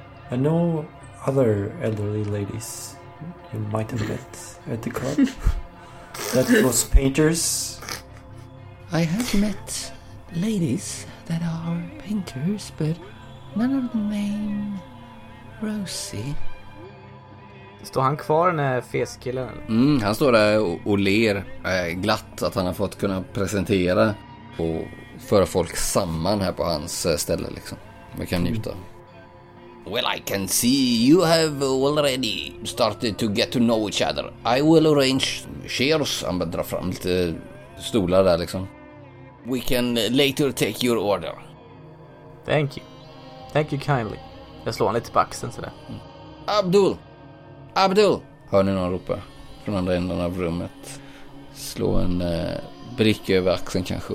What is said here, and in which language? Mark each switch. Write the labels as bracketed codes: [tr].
[en] And no other elderly ladies you might have met at the club? That was painters? I have met ladies that are painters, but none of them name... Rosie. [sv] Står han kvar när feskillen? Mm, han står där och ler glatt att han har fått kunna presentera och föra folk samman här på hans ställe liksom. Vi kan njuta. [en] Well, I can see you have already started to get to know each other. I will arrange chairs. [sv] Han bara drar fram lite stolar där liksom. [en] We can later take your order. Thank you. Thank you kindly. [sv] Jag slår han lite på axeln sådär. Mm. Abdul! Abdul! Hör ni någon ropa från andra änden av rummet. Slå en brick över axeln kanske.